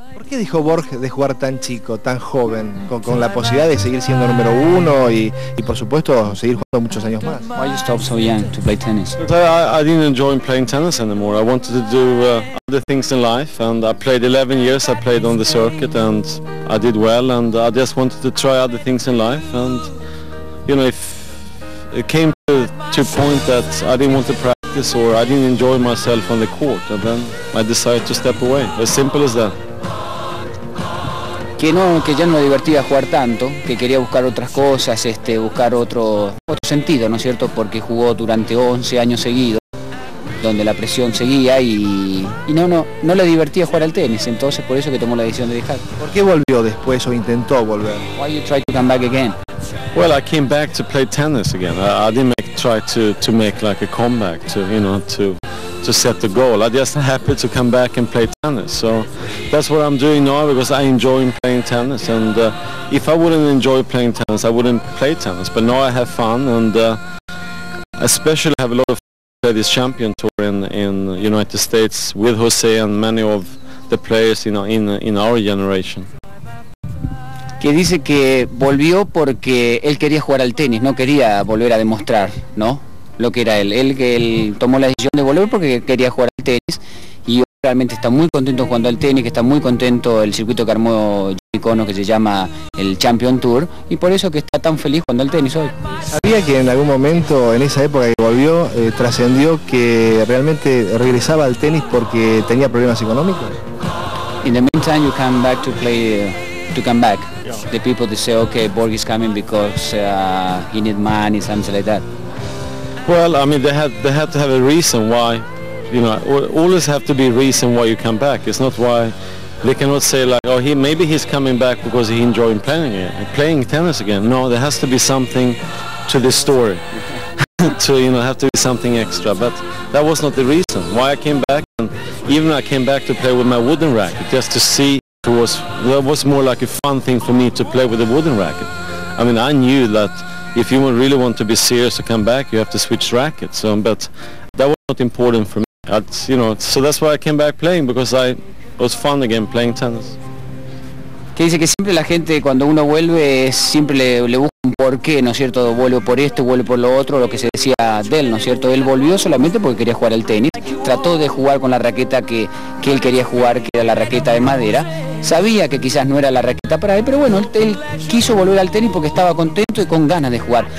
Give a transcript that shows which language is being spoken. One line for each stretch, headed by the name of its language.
Spanish: qué dejó Borges de jugar tan chico, tan joven, con la posibilidad de seguir siendo número uno y por supuesto seguir jugando muchos años más?
English: Why you stopped so young to play tennis? I didn't enjoy playing tennis anymore. I wanted to do other things in life, and I played 11 years. I played on the circuit and I did well, and I just wanted to try other things in life. And you know, if it came to a point that I didn't want to practice or I didn't enjoy myself on the court, and then I decided to step away. As simple as that.
Spanish: Que no, que ya no me divertía jugar tanto, que quería buscar otras cosas, buscar otro sentido, ¿no es cierto? Porque jugó durante 11 años seguidos, donde la presión seguía y no le divertía jugar al tenis, entonces por eso que tomó la decisión de dejar. ¿Por qué volvió después o intentó volver?
English: Why you try to come back again? Well, I came back to play tennis again. I didn't try to make like a comeback to set the goal. I'm just happy to come back and play tennis. So that's what I'm doing now, because I enjoy playing tennis. And if I wouldn't enjoy playing tennis, I wouldn't play tennis. But now I have fun, and especially have a lot of fun at this champion tour in United States with Jose and many of the players, you know, in our generation.
Spanish: Que dice que volvió porque él quería jugar al tenis, no quería volver a demostrar, ¿no?, lo que era él. Él tomó la decisión de volver porque quería jugar al tenis y realmente está muy contento jugando al tenis, que está muy contento el circuito que armó Jimmy Connors, que se llama el Champion Tour, y por eso que está tan feliz jugando al tenis hoy. ¿Sabía que en algún momento, en esa época que volvió, trascendió que realmente regresaba al tenis porque tenía problemas económicos?
English: In the meantime, you come back to play, to come back. The people that say, okay, Borg is coming because he needs money, something like that. Well, I mean, they had to have a reason why, you know, always have to be a reason why you come back. It's not why they cannot say like, oh, maybe he's coming back because he enjoys playing tennis again. No, there has to be something to this story, to, you know, have to be something extra. But that was not the reason why I came back. And even I came back to play with my wooden racket, just to see. That was more like a fun thing for me to play with a wooden racket. I mean, I knew that if you really want to be serious to come back, you have to switch rackets. But that was not important for me. So that's why I came back playing, because I was fun again playing tennis.
Spanish: Que dice que siempre la gente, cuando uno vuelve, siempre le busca un porqué, ¿no es cierto? Vuelve por esto, vuelve por lo otro, lo que se decía de él, ¿no es cierto? Él volvió solamente porque quería jugar al tenis. Trató de jugar con la raqueta que él quería jugar, que era la raqueta de madera. Sabía que quizás no era la raqueta para él, pero bueno, él quiso volver al tenis porque estaba contento y con ganas de jugar.